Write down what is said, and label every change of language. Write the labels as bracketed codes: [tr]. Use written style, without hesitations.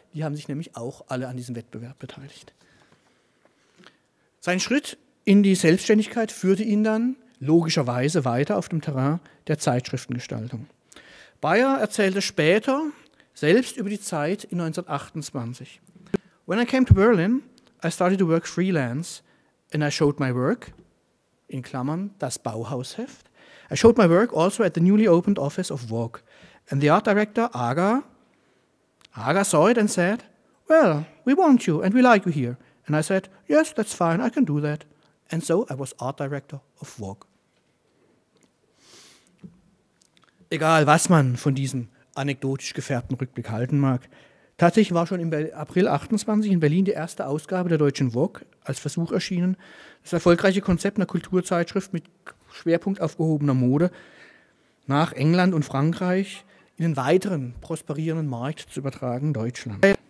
[de] Die haben sich nämlich auch alle an diesem Wettbewerb beteiligt. Sein Schritt in die Selbstständigkeit führte ihn dann logischerweise weiter auf dem Terrain der Zeitschriftengestaltung. Beyer erzählte später selbst über die Zeit in 1928. [en] When I came to Berlin, I started to work freelance and I showed my work, [de] in Klammern, [en] das Bauhausheft. I showed my work also at the newly opened office of Vogue. And the art director, Aga saw it and said, well, we want you and we like you here. And I said, yes, that's fine, I can do that. And so I was art director of Vogue. [de] Egal, was man von diesem anekdotisch gefärbten Rückblick halten mag. Tatsächlich war schon im April 28 in Berlin die erste Ausgabe der deutschen Vogue als Versuch erschienen. Das erfolgreiche Konzept einer Kulturzeitschrift mit Schwerpunkt auf gehobener Mode nach England und Frankreich in den weiteren prosperierenden Markt zu übertragen, Deutschland.